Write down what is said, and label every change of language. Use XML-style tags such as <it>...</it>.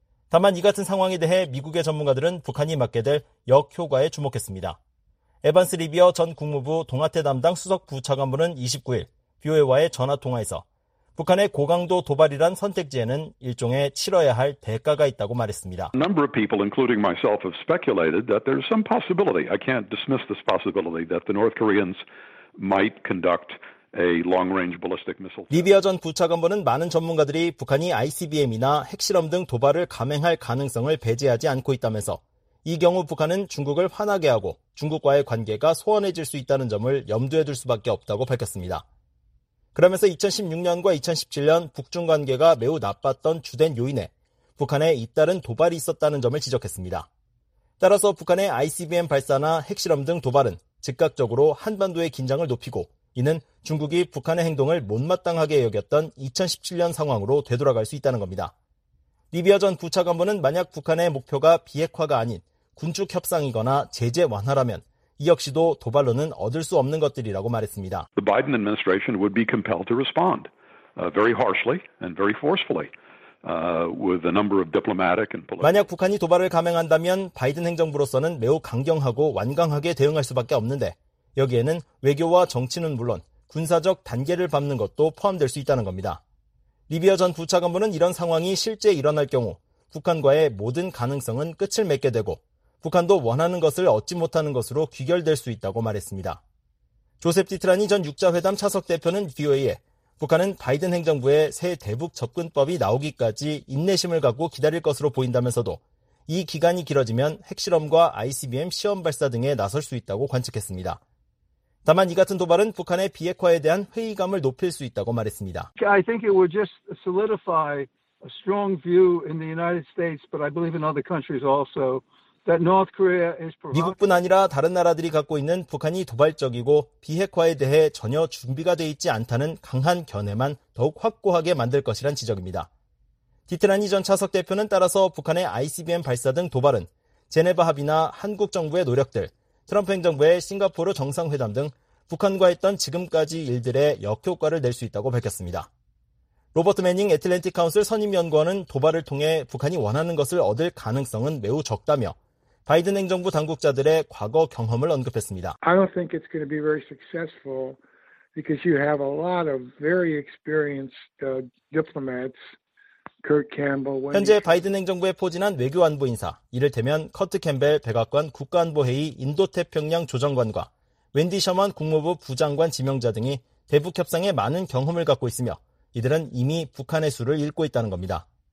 <ko>다만 이 같은 상황에 대해 미국의 전문가들은 북한이 맞게 될 역효과에 주목했습니다. 에반스 리비어 전 국무부 동아태 담당 수석 부차관부는 29일 BOA와의 전화통화에서 북한의 고강도 도발이란 선택지에는 일종의 치러야 할 대가가 있다고 말했습니다.</ko> <en>A number of people, including myself, have speculated that there's some possibility. I can't dismiss this possibility that the North Koreans might conduct a long-range ballistic missile.</en> <ko>리비어 전 부차관보는 많은 전문가들이 북한이 ICBM이나 핵실험 등 도발을 감행할 가능성을 배제하지 않고 있다면서 이 경우 북한은 중국을 화나게 하고 중국과의 관계가 소원해질 수 있다는 점을 염두에 둘 수밖에 없다고 밝혔습니다. 그러면서 2016년과 2017년 북중 관계가 매우 나빴던 주된 요인에 북한의 잇따른 도발이 있었다는 점을 지적했습니다. 따라서 북한의 ICBM 발사나 핵실험 등 도발은 즉각적으로 한반도의 긴장을 높이고 이는 중국이 북한의 행동을 못마땅하게 여겼던 2017년 상황으로 되돌아갈 수 있다는 겁니다. 리비아 전 부차관보는 만약 북한의 목표가 비핵화가 아닌 군축 협상이거나 제재 완화라면 이 역시도 도발로는 얻을 수 없는 것들이라고 말했습니다.</ko> <en>The Biden administration would be compelled to respond very harshly and very forcefully with a number of diplomatic and political.</en> <ko>만약 북한이 도발을 감행한다면 바이든 행정부로서는 매우 강경하고 완강하게 대응할 수밖에 없는데 여기에는 외교와 정치는 물론 군사적 단계를 밟는 것도 포함될 수 있다는 겁니다. 리비어 전 부차관보는 이런 상황이 실제 일어날 경우 북한과의 모든 가능성은 끝을 맺게 되고 북한도 원하는 것을 얻지 못하는 것으로 귀결될 수 있다고 말했습니다. 조셉 디트라니 전 6자회담 차석 대표는 VOA에 북한은 바이든 행정부의 새 대북 접근법이 나오기까지 인내심을 갖고 기다릴 것으로 보인다면서도 이 기간이 길어지면 핵실험과 ICBM 시험 발사 등에 나설 수 있다고 관측했습니다. 다만 이 같은 도발은 북한의 비핵화에 대한 회의감을 높일 수 있다고 말했습니다.</ko> <en>I think it would just solidify a strong view in the United States, but I believe in other countries also.</en> <ko>미국뿐 아니라 다른 나라들이 갖고 있는 북한이 도발적이고 비핵화에 대해 전혀 준비가 돼 있지 않다는 강한 견해만 더욱 확고하게 만들 것이란 지적입니다. 디트라니 전 차석 대표는 따라서 북한의 ICBM 발사 등 도발은 제네바 합의나 한국 정부의 노력들, 트럼프 행정부의 싱가포르 정상회담 등 북한과 했던 지금까지 일들의 역효과를 낼 수 있다고 밝혔습니다. 로버트 매닝 애틀랜틱 카운슬 선임연구원은 도발을 통해 북한이 원하는 것을 얻을 가능성은 매우 적다며 바이든 행정부 당국자들의 과거 경험을 언급했습니다.</ko> <en>I don't think it's going to be very successful because you have a lot of very experienced diplomats. Kurt Campbell.</en> <ko>현재 바이든 행정부에 포진한 외교안보 인사, 이를테면 커트 캠벨 백악관 국가안보회의 인도태평양 조정관과 웬디 셔먼 국무부 부장관 지명자 등이 대북 협상에 많은 경험을 갖고 있으며 이들은 이미 북한의 수를 읽고 있다는 겁니다.</ko>